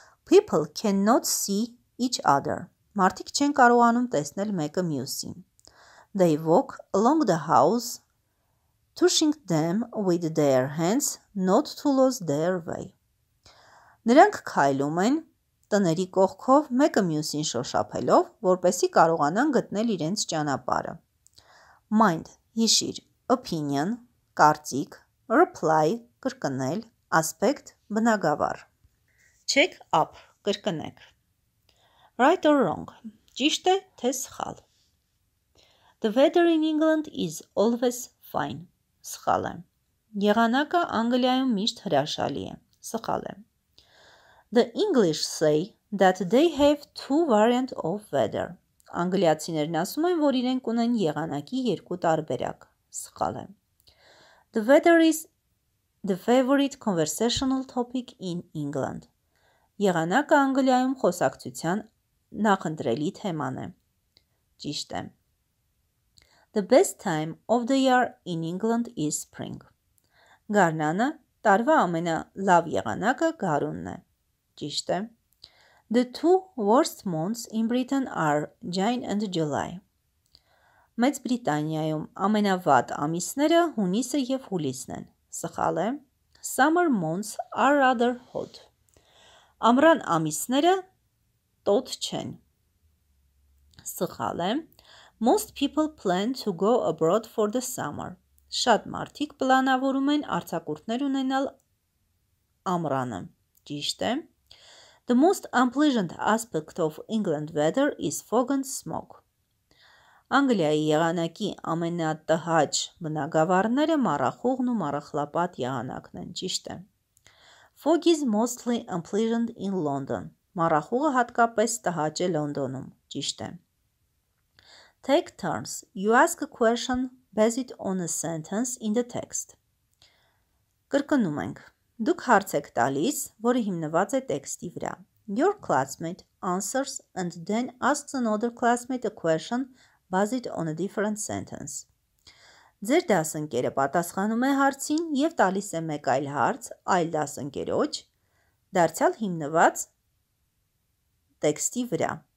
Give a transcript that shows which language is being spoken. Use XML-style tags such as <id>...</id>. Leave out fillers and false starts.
<en>People cannot see each other.</en> <hy>Մարդիկ չեն կարողանում տեսնել մեկը մյուսին.</hy> <en>They walk along the house, touching them with their hands, not to lose their way.</en> <hy>Նրանք քայլում են Տների կողքով մեկը մյուսին շոշափելով, որպեսի կարողանան գտնել իրենց ճանապարը.</hy> <en>Mind,</en> <hy>հիշիր,</hy> <en>opinion,</en> <hy>կարծիք,</hy> <en>reply,</en> <hy>կրկնել,</hy> <en>aspect,</en> <hy>բնագավառ.</hy> <en>Check up,</en> <hy>կրկնեք.</hy> <en>Right or wrong,</en> <hy>ճիշտ է թե սխալ.</hy> <en>The weather in England is always fine.</en> <hy>Սխալ է. Եղանակը Անգլիայում միշտ հրաշալի է. Սխալ է.</hy> <en>The English say that they have two variants of weather.</en> <hy>Անգլիացիներն ասում են, որ իրենք ունեն եղանակի երկու տարբերակ. Սխալ է.</hy> <en>The weather is the favorite conversational topic in England.</en> <hy>Եղանակը Անգլիայում խոսակցության նախընտրելի թեման է. Ճիշտ է.</hy> <en>The best time of the year in England is spring.</en> <hy>Գարնանը տարվա ամենալավ եղանակը գարունն է. Ճիշտ է.</hy> <en>The two worst months in Britain are Jan and July.</en> <hy>Մեծ Բրիտանիայում ամենավատ ամիսները հունիսը և հուլիսն են. Սխալ է.</hy> <en>Summer months are rather hot.</en> <hy>Ամռան ամիսները տոտ չեն. Սխալ է.</hy> <en>Most people plan to go abroad for the summer.</en> <hy>Շատ մարդիկ պլանավորում են արձակուրդներ ունենալ ամռանը. Ճիշտ է.</hy> <en>The most unpleasant aspect of England weather is fog and smog.</en> <hy>Անգլիայի եղանակի ամենատհաճ բնագավառները մառախուղն ու մառախլապատ եղանակն են. Ճիշտ է.</hy> <en>Fog is mostly unpleasant in London.</en> <hy>Մառախուղը հատկապես տհաճ է Լոնդոնում. Ճիշտ է.</hy> <en>Take turns. You ask a question based on a sentence in the text.</en> <hy>Կրկնում ենք. Դուք հարց եք տալիս, որը հիմնված է տեքստի վրա.</hy> <en>Your classmate answers and then asks another classmate a question based on a different sentence.</en> <hy>Ձեր դասընկերը պատասխանում է հարցին և տալիս է մեկ այլ հարց, այլ դասընկերոջ, դարձյալ հիմնված տեքստի վրա.</hy>